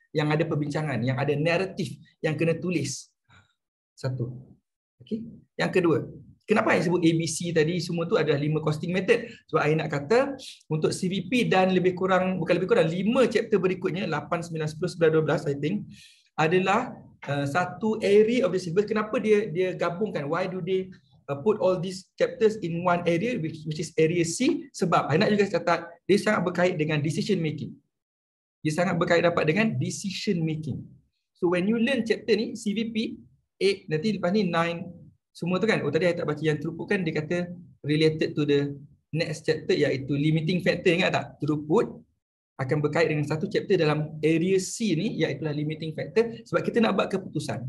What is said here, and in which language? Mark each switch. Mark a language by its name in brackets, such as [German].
[Malay] Yang ada perbincangan, yang ada narrative yang kena tulis. Satu. Okay. Yang kedua. Kenapa saya sebut ABC tadi semua tu adalah 5 costing method? Sebab saya nak kata untuk CVP dan lebih kurang, bukan lebih kurang, 5 chapter berikutnya, 8, 9, 10, 11, 12 [English] I think, [Malay] adalah satu [English] area of the syllabus. [Malay] Kenapa dia gabungkan? [English] Why do they put all these chapters in one area which is area C? [Malay] Sebab saya nak juga catat, dia sangat berkait dengan decision making. Dia sangat berkait dapat dengan decision making. [English] So when you learn chapter [Malay] ni, CVP, 8, nanti lepas ni 9, semua tu kan, oh tadi saya tak baca yang throughput kan, dia kata [English] related to the next chapter [Malay] iaitu limiting factor, ingat tak? Throughput akan berkait dengan satu chapter dalam area C ni iaitu limiting factor sebab kita nak buat keputusan.